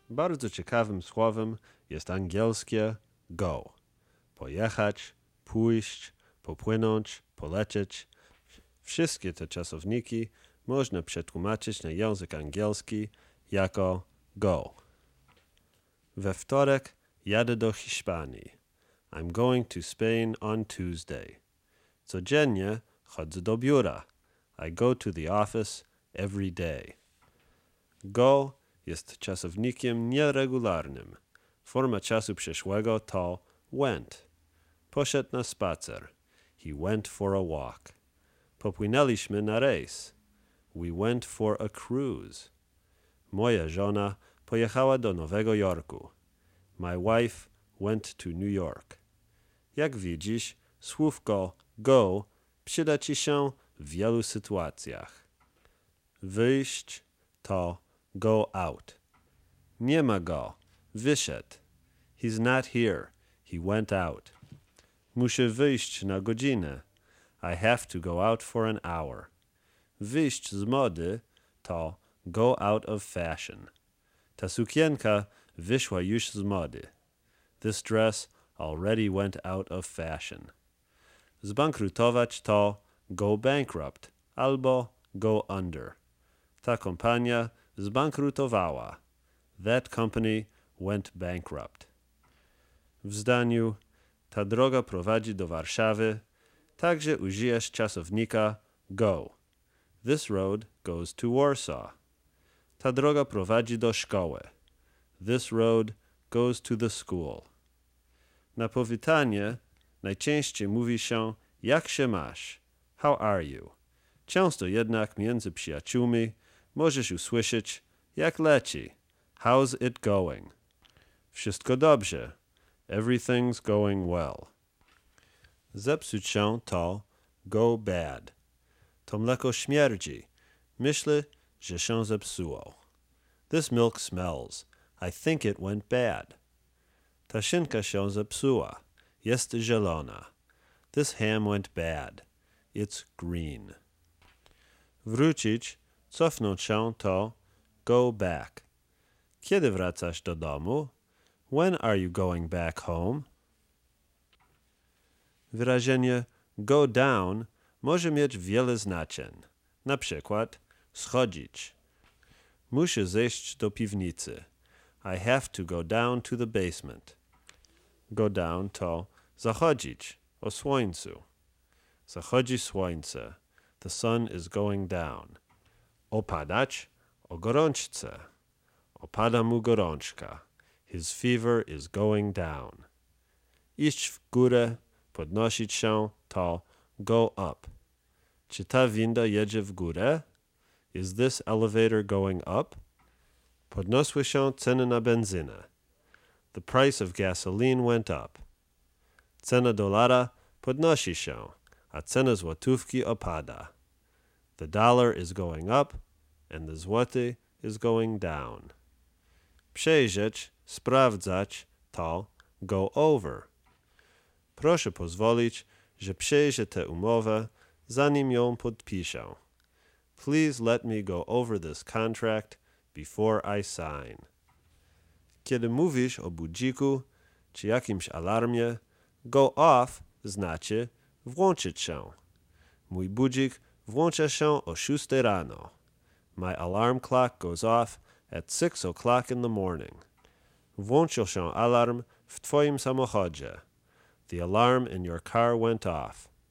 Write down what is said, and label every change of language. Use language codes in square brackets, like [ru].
[pl] Bardzo ciekawym słowem jest angielskie go. Pojechać, pójść, popłynąć, polecieć. Wszystkie te czasowniki można przetłumaczyć na język angielski jako go. We wtorek jadę do Hiszpanii. [en] I'm going to Spain on Tuesday. [pl] Codziennie chodzę do biura. [en] I go to the office every day. [pl] Go jest czasownikiem nieregularnym. Forma czasu przeszłego to went. Poszedł na spacer. [en] He went for a walk. [pl] Popłynęliśmy na rejs. [en] We went for a cruise. [pl] Moja żona pojechała do Nowego Jorku. [en] My wife went to New York. [pl] Jak widzisz, słówko go przyda ci się w wielu sytuacjach. Wyjść to go out. Nie ma go. Wyszedł. [en] He's not here. He went out. [pl] Muszę wyjść na godzinę. [en] I have to go out for an hour. [pl] Wyjść z mody [en] to go out of fashion. [pl] Ta sukienka wyszła już z mody. [en] This dress already went out of fashion. [pl] Zbankrutować to go bankrupt albo go under. Ta kompania zbankrutowała. [en] That company went bankrupt. [pl] W zdaniu, ta droga prowadzi do Warszawy, także użyjesz czasownika go. [en] This road goes to Warsaw. [pl] Ta droga prowadzi do szkoły. [en] This road goes to the school. [pl] Na powitanie najczęściej mówi się jak się masz? [en] How are you? [pl] Często jednak między przyjaciółmi możesz usłyszeć jak leci? [en] How's it going? [pl] Wszystko dobrze. [en] Everything's going well. [pl] Zepsuć się to go bad. To mleko śmierdzi. Myślę, że się zepsuło. [en] This milk smells. I think it went bad. [pl] Ta szynka się zepsuła. Jest zielona. [en] This ham went bad. It's green. [pl] Wrócić, cofnąć się to go back. Kiedy wracasz do domu? [en] When are you going back home? [pl] Wyrażenie go down może mieć wiele znaczeń. Na przykład, schodzić. Muszę zejść do piwnicy. [en] I have to go down to the basement. [pl] Go down to zachodzić, o słońcu. Zachodzi słońce. [en] The sun is going down. [pl] Opadać, o gorączce. Opada mu gorączka. [en] His fever is going down. [pl] Iść w górę, podnosić się, to go up. Czy ta winda jedzie w górę? [en] Is this elevator going up? [pl] Podnosły się ceny na benzynę. [en] The price of gasoline went up. [pl] Cena dolara podnosi się, a cena złotówki opada. [en] The dollar is going up and the złoty is going down. [pl] Przejrzeć, sprawdzać, to go over. Proszę pozwolić, że przejrzę tę umowę, zanim ją podpiszę. [en] Please let me go over this contract before I sign. [pl] Kiedy mówisz o budziku czy jakimś alarmie, go off znaczy włączyć się. Mój budzik włącza się o 6 rano. [en] My alarm clock goes off at 6 o'clock in the morning. [pl] Włączył się alarm w twoim samochodzie. [en] The alarm in your car went off.